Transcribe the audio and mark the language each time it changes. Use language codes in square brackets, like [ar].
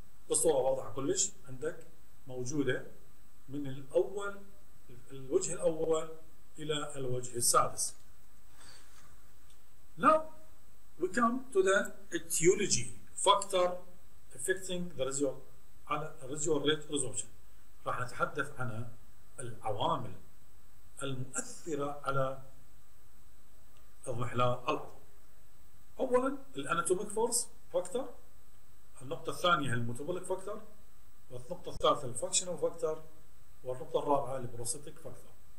[ar] الصورة واضحة كلش عندك، موجودة من الأول، الوجه الأول إلى الوجه السادس. [en] Now we come to the etiology factor affecting the residual على residual rate resorption. [ar] راح نتحدث عن العوامل المؤثرة على اضمحلال العظم. أولا [en] الأناتوميك force factor, [ar] النقطة الثانية [en] الميتابوليك فاكتور، [ar] والنقطة الثالثة [en] الفانكشنال فاكتور، [ar] والنقطة الرابعة [en] البروستيك فاكتور.